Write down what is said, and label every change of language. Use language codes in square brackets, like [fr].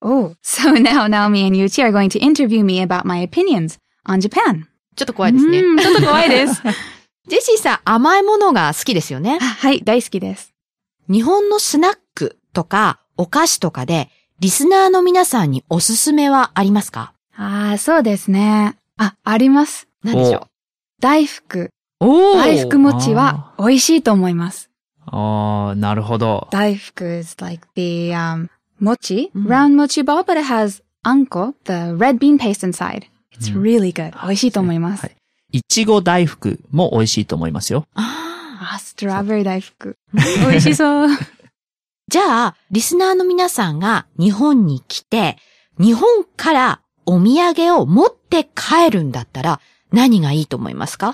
[en] Oh. So now Naomi and Yuchi are going to interview me about my opinions on Japan. [ja] ちょっと怖いですね。ちょっと怖いです。ジェシーさん甘いものが好きですよね。はい、大好きです。日本のスナックとかお菓子とかでリスナーの皆さんにおすすめはありますか？ああ、そうですね。あ、あります。何でしょう？大福。おー、大福餅は美味しいと思います。あー、なるほど。 [en] 大福 is like the, 餅、うん、round 餅 ball, but it has あんこ the red bean paste inside. It's really good.、うん、美味しいと思います。は [ja] い。いちご大福も美味しいと思いますよ。あー、ストロベリー大福。美味しそう。じゃあ、リスナーの皆さんが日本に来て、日本からお土産を持って帰るんだったら、何がいいと思いますか？